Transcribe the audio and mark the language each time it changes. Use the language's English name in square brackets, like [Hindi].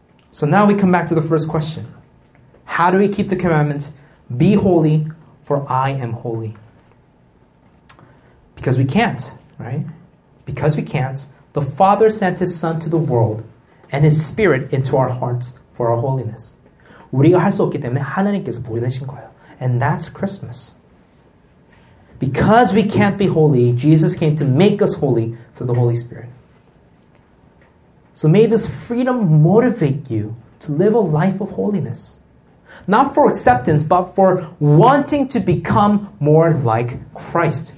[English] So now we come back to the first question. How do we keep the commandment, be holy, for I am holy? Because we can't, right? Because we can't, the Father sent His Son to the world and His Spirit into our hearts for our holiness. [Korean] 우리가 할 수 없기 때문에 하나님께서 보내신 거예요. [English] And that's Christmas. Because we can't be holy, Jesus came to make us holy through the Holy Spirit. So may this freedom motivate you to live a life of holiness. Not for acceptance, but for wanting to become more like Christ.